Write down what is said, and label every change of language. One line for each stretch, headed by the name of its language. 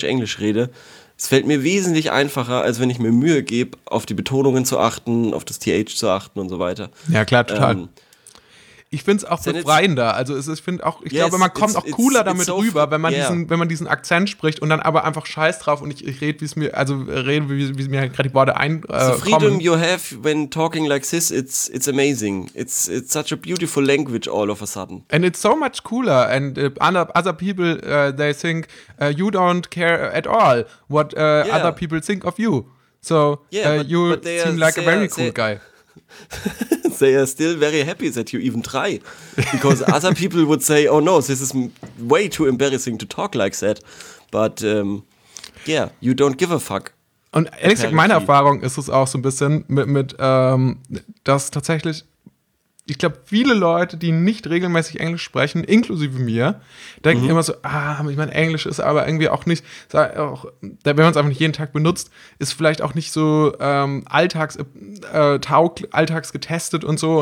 German: deutsch-englisch rede, es fällt mir wesentlich einfacher, als wenn ich mir Mühe gebe, auf die Betonungen zu achten, auf das TH zu achten und so weiter. Ja, klar, total. Ich finde es auch befreiender. Also ich glaube, man kommt auch cooler damit rüber, wenn man diesen Akzent spricht und dann aber einfach Scheiß drauf und ich rede, wie es mir, also rede, wie mir gerade die Worte einkommen.
English: The freedom you have when talking like this, it's amazing. It's such a beautiful language all of a sudden. And it's so much cooler. And other people they think you don't care at all what other people think of you. So you seem like a very cool guy. They are still very happy that you even try, because other people would say, oh no, this is way too embarrassing to talk like that, but yeah, you don't give a fuck.
German: Und ehrlich gesagt, meine Erfahrung ist es auch so ein bisschen mit dass tatsächlich, ich glaube, viele Leute, die nicht regelmäßig Englisch sprechen, inklusive mir, denken immer so, ich meine, Englisch ist aber irgendwie auch nicht, wenn man es einfach nicht jeden Tag benutzt, ist vielleicht auch nicht so alltagsgetestet und so.